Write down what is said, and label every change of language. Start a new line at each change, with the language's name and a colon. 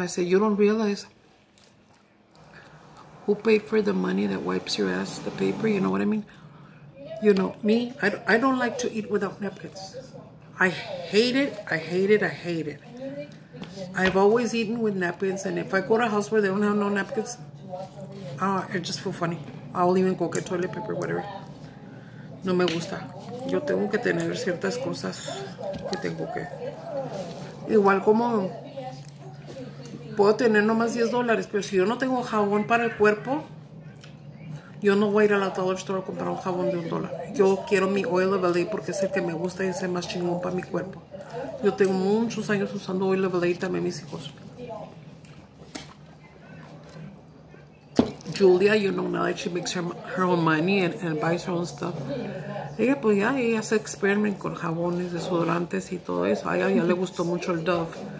English: I say, you don't realize who paid for the money that wipes your ass, the paper. You know what I mean? You know, me, I don't like to eat without napkins. I hate it. I've always eaten with napkins. And if I go to a house where they don't have no napkins, it just feels funny. I'll even go get toilet paper, whatever.
Spanish: No me gusta. Yo tengo que tener ciertas cosas que tengo que. Igual como puedo tener nomás $10, pero si yo no tengo jabón para el cuerpo, yo no voy a ir a la dollar store a comprar un jabón de $1. Yo quiero mi oil of LA porque es el que me gusta y es el más chingón para mi cuerpo. Yo tengo muchos años usando oil of LA y también mis hijos.
English: Julia, you know, now that she makes her own money and buys her own stuff.
Spanish: Ella, pues ya, ella hace experiment con jabones, desodorantes y todo eso. A ella ya le gustó mucho el Dove.